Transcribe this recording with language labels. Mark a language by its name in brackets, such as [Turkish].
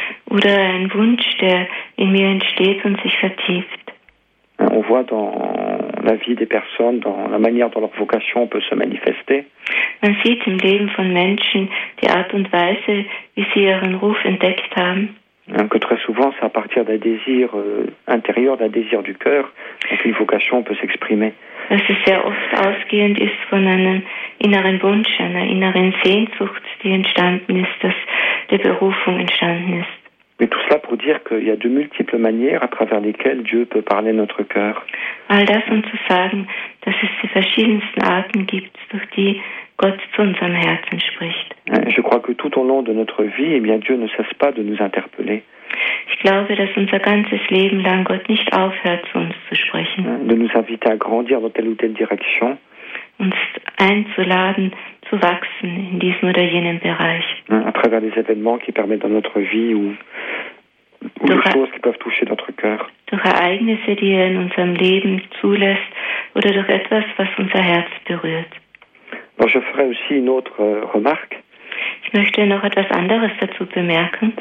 [German] Oder ein Wunsch, der in mir entsteht und sich vertieft. [French] On voit dans la vie des personnes, dans la manière dont leur vocation peut se manifester. [German] Man sieht im Leben von Menschen die Art und Weise, wie sie ihren Ruf entdeckt haben. [French] Que très souvent, c'est à partir d'un désir intérieur, d'un désir du cœur, qu'une vocation peut s'exprimer. [German] Dass es sehr oft ausgehend ist von einem inneren Wunsch, einer inneren Sehnsucht, die entstanden ist, dass die Berufung entstanden ist. [French] Mais tout cela pour dire qu'il y a de multiples manières à travers lesquelles Dieu peut parler notre cœur. [German] All das um zu sagen, dass es die verschiedensten Arten gibt, durch die Gott zu unserem Herzen spricht. [French] Je crois que tout au long de notre vie, eh bien Dieu ne cesse pas de nous interpeller. [German] Ich glaube, dass unser ganzes Leben lang Gott nicht aufhört, zu uns zu sprechen. [French] De nous inviter à grandir dans telle ou telle direction. [German] Uns einzuladen, zu wachsen in diesem oder jenem Bereich. [French] À travers les événements qui permettent dans notre vie ou les choses qui peuvent toucher notre cœur. [German] Durch Ereignisse, die er in unserem Leben zulässt, oder durch etwas, was unser Herz berührt. [French] Alors je ferai aussi une autre remarque. [German] Ich möchte noch etwas anderes dazu bemerken.